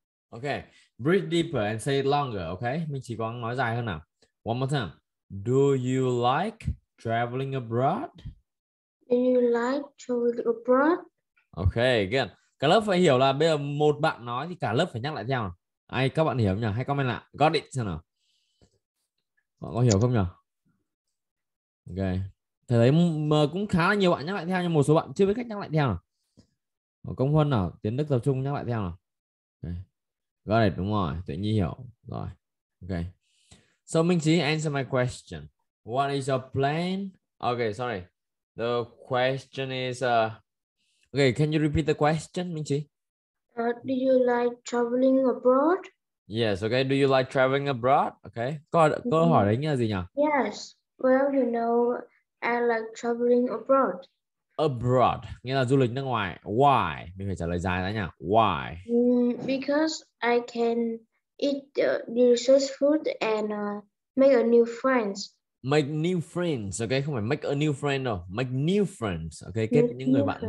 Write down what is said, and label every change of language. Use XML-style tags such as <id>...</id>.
<en>Okay, breathe deeper and say it longer, okay?</en> <vi>Mình chỉ còn nói dài hơn nào.</vi> <en>One more time. Do you like traveling abroad? Do you like traveling abroad? Okay, again.</en> <vi>Cả lớp phải hiểu là bây giờ một bạn nói thì cả lớp phải nhắc lại theo. Ai các bạn hiểu không nhỉ? Hay comment lại. Got it xem nào. Bạn có hiểu không nhỉ? Ok. Thế đấy cũng khá là nhiều bạn nhắc lại theo, nhưng một số bạn chưa biết cách nhắc lại theo. Nào. Công Huân nào, Tiến Đức tập trung nhắc lại theo nào. Okay. Got it, đúng rồi. Tự nhiên hiểu. Rồi. Ok.</vi> <en>So Minh Chí, answer my question. What is your plan? Okay, sorry. The question is okay, can you repeat the question, Minh Chí? Do you like traveling abroad? Yes, okay. Do you like traveling abroad? Okay.</en> <vi>Câu hỏi đấy nghĩa gì nhỉ?</vi> <en>Yes. Well, you know, I like traveling abroad.</en> <vi>Abroad, nghĩa là du lịch nước ngoài.</vi> <en>Why?</en> <vi>Mình phải trả lời dài ra nhỉ?</vi> <en>Why? Because I can eat delicious food and make a new friends. Make new friends, okay?</en> <vi>Không phải make a new friend đâu.</vi> <en>Make new friends, okay?</en> <vi>Kết new, những người bạn friends.</vi>